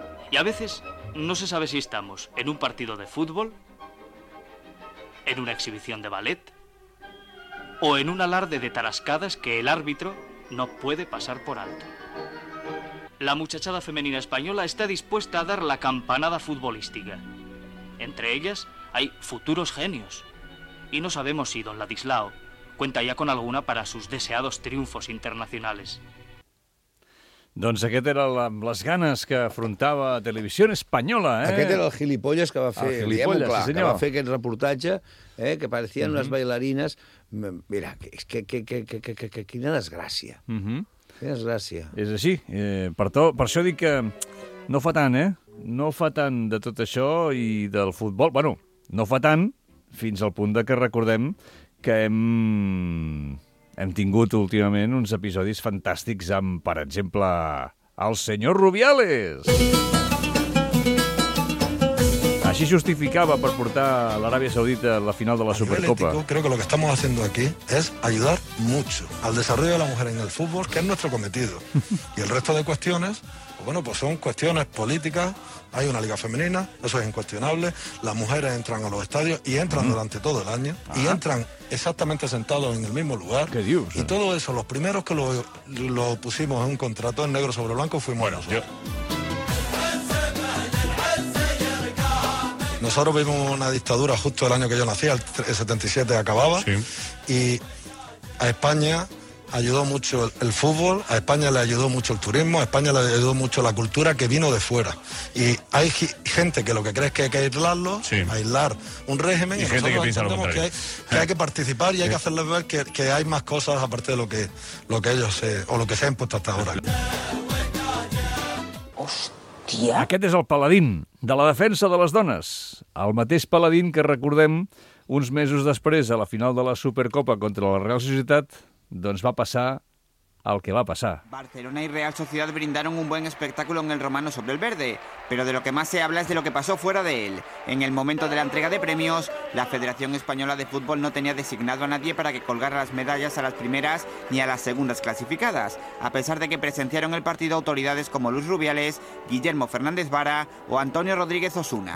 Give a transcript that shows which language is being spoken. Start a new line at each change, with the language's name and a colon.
Spanish: Y a veces no se sabe si estamos en un partido de fútbol, en una exhibición de ballet, o en un alarde de tarascadas que el árbitro no puede pasar por alto. La muchachada femenina española está dispuesta a dar la campanada futbolística. Entre ellas hay futuros genios. Y no sabemos si don Ladislao cuenta ya con alguna para sus deseados triunfos internacionales.
Catalan: Doncs aquest era les ganes que afrontava Televisió Espanyola, eh? Aquest era el gilipolles que va fer, clar, sí, que va fer aquest reportatge, que parecien unes bailarines. Mira, quina desgràcia. Quina desgràcia. És així. Per això dic que no fa tant, eh? No fa tant de tot això i del futbol. Bueno, no fa tant fins al punt de que recordem que hem tingut últimament uns episodis fantàstics amb, per exemple, el senyor Rubiales. Així justificava per portar a l'Aràbia Saudita a la final de la Supercopa.
Spanish: Creo que lo que estamos haciendo aquí es ayudar mucho al desarrollo de la mujer en el fútbol, que es nuestro cometido. Y el resto de cuestiones, bueno, pues son cuestiones políticas. Hay una liga femenina, eso es incuestionable. Las mujeres entran a los estadios y entran durante todo el año. Ajá. Y entran exactamente sentados en el mismo lugar. ¡Qué Dios! Y todo eso, los primeros que lo pusimos en un contrato en negro sobre blanco fuimos nosotros. Yo. Nosotros vivimos una dictadura justo el año que yo nací, el 77 acababa. Sí. Y a España ayudó mucho el fútbol, a España le ayudó mucho el turismo, a España le ayudó mucho la cultura que vino de fuera. Y hay gente que lo que cree es que hay que aislarlo, aislar un régimen. Y gente que piensa lo contrario. Que hay que participar y hay que hacerles ver que hay más cosas aparte de lo que ellos o lo que se ha impuesto hasta ahora.
Catalan: Hostia. Aquest és el paladín de la defensa de les dones. El mateix paladín que recordem uns mesos després a la final de la Supercopa contra la Real Societat. Doncs va passar el que va passar.
Spanish: Barcelona y Real Sociedad brindaron un buen espectáculo en el Romano sobre el verde, pero de lo que más se habla es de lo que pasó fuera de él. En el momento de la entrega de premios, la Federación Española de Fútbol no tenía designado a nadie para que colgara las medallas a las primeras ni a las segundas clasificadas, a pesar de que presenciaron el partido autoridades como Luis Rubiales, Guillermo Fernández Vara o Antonio Rodríguez Osuna.